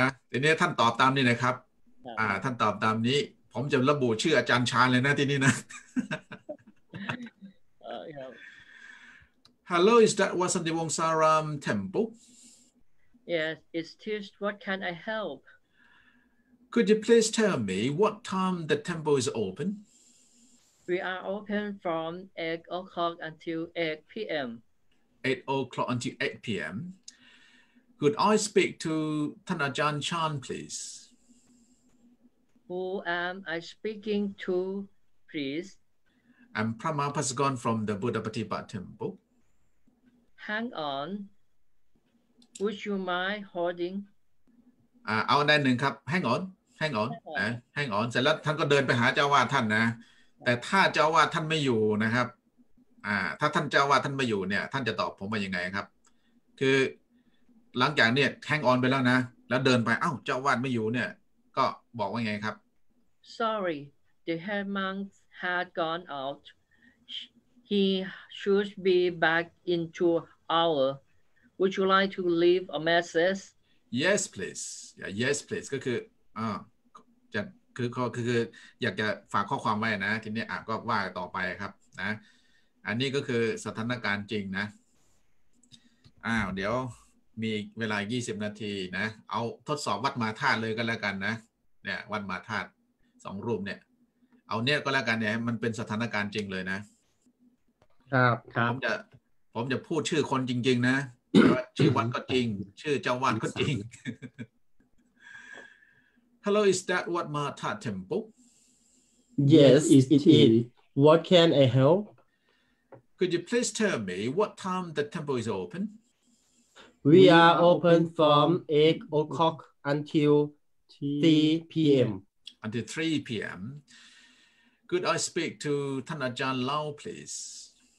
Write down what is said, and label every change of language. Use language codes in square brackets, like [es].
[th] ทีนี้ท่านตอบตามนี้นะครับท่านตอบตามนี้ผมจะระบุชื่ออาจารย์ชาญเลยนะที่นี่นะ [en] Hello, is that Wat Santivong Saram Temple? Yes, it's just what can I help? Could you please tell me what time the temple is open? We are open from 8 o'clock until 8 p.m. 8 o'clock until 8 p.m. Could I speak to Than Ajahn Chan, please? Who am I speaking to, please? I'm Prama Pasagon from the Buddha Patipatthana Temple. Hang on. Would you mind holding? [th] เอาได้หนึ่งครับ [en] Hang on. Hang on. [th] เสร็จแล้วท่านก็เดินไปหาเจ้าวาดท่านนะแต่ถ้าเจ้าว่าท่านไม่อยู่นะครับถ้าท่านเจ้าว่าท่านไม่อยู่เนี่ยท่านจะตอบผมว่ายังไงครับคือหลังจากเนี่ยแฮงออนไปแล้วนะแล้วเดินไปเจ้าว่าไม่อยู่เนี่ยก็บอกว่าไงครับ [en] Sorry the head monk had gone out he should be back in 2 hours would you like to leave a message yes please yeah, yes please [th] ก็คือจะคืออยากจะฝากข้อความไว้นะทีนี้ก็ว่าต่อไปครับนะอันนี้ก็คือสถานการณ์จริงนะเดี๋ยวมีเวลา20นาทีนะเอาทดสอบวัดมาธาตุเลยก็แล้วกันนะเนี่ยวัดมาธาตุ2รูปเนี่ยเอาเนี่ยก็แล้วกันเนี่ยมันเป็นสถานการณ์จริงเลยนะ ครับครับ ผมจะพูดชื่อคนจริงๆนะ ชื่อวัดก็จริงชื่อเจ้าวัดก็จริง [en] Hello, is that Wat Ma That Temple? Yes, it is. What can I help? Could you please tell me what time the temple is open? We are open from 8 o'clock until 3 p.m. Until 3 p.m. Could I speak to Than Ajahn Lau, please?